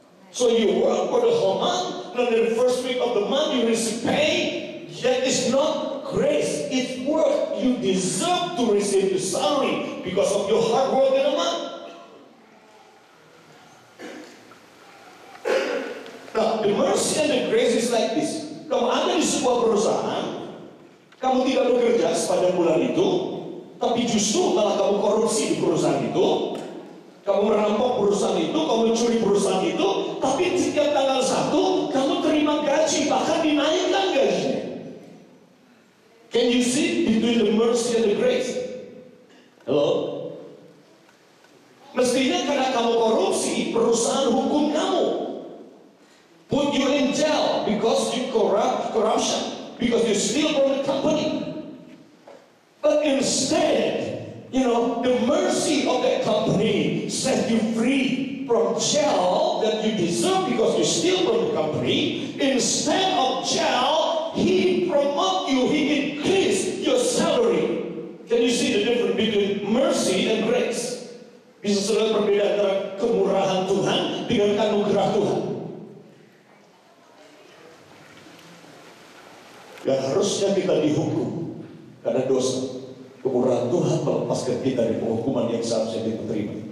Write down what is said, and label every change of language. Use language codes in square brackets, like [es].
[en] So you work for the whole month, and then the first week of the month you receive pay. That is not grace, it's work. You deserve to receive your salary because of your hard work in a month. Now, the mercy and the grace is like this. [id] Kamu ada di sebuah perusahaan, kamu tidak bekerja sepanjang bulan itu, tapi justru malah kamu korupsi di perusahaan itu, kamu merampok perusahaan itu, kamu mencuri perusahaan itu, tapi setiap tanggal 1, kamu terima gaji, bahkan dinaikkan gajinya. [en] Can you see between the mercy and the grace? Hello? [id] Mestinya karena kamu korupsi, perusahaan hukum kamu. [en] Put you in jail because you corrupt corruption, because you steal from the company. But instead, you know, the mercy of that company set you free from jail that you deserve because you steal from the company. Instead of jail, he promote you, he increase your salary. Can you see the difference between mercy and grace? [id] Bisa saudara perbedaan antara kemurahan Tuhan dengan anugerah Tuhan? Yang harusnya kita dihukum karena dosa, kemurahan Tuhan melepaskan kita dari penghukuman yang seharusnya kita terima.